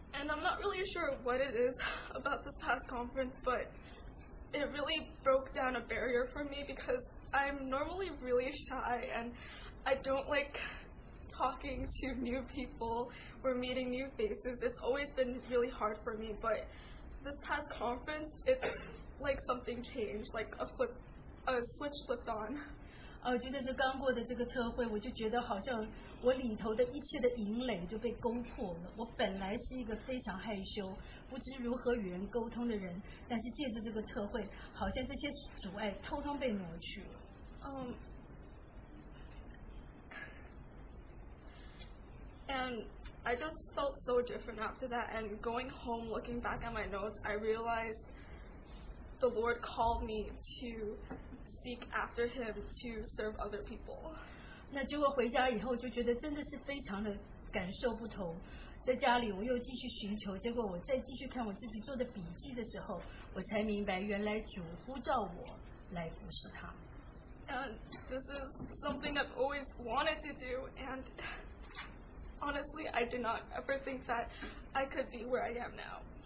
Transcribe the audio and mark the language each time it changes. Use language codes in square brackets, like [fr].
[en] I'm not really sure what it is about this past conference, but it really broke down a barrier for me because I'm normally really shy and I don't like talking to new people or meeting new faces. It's always been really hard for me, but this past conference, it's like something changed, like a switch flipped on. [zh] 就在这刚过的这个特会，我就觉得好像我里头的一切的营垒就被攻破了。我本来是一个非常害羞、不知如何与人沟通的人，但是借着这个特会，好像这些阻碍通通被挪去了。 [en] And I just felt so different after that. And going home, looking back at my notes, I realized the Lord called me to seek after Him to serve other people. [zh] 那结果回家以后就觉得真的是非常的感受不同。在家里我又继续寻求，结果我再继续看我自己做的笔记的时候，我才明白原来主呼召我来服侍他。 [en] And this is something I've always wanted to do, and honestly, I did not ever think that I could be where I am now.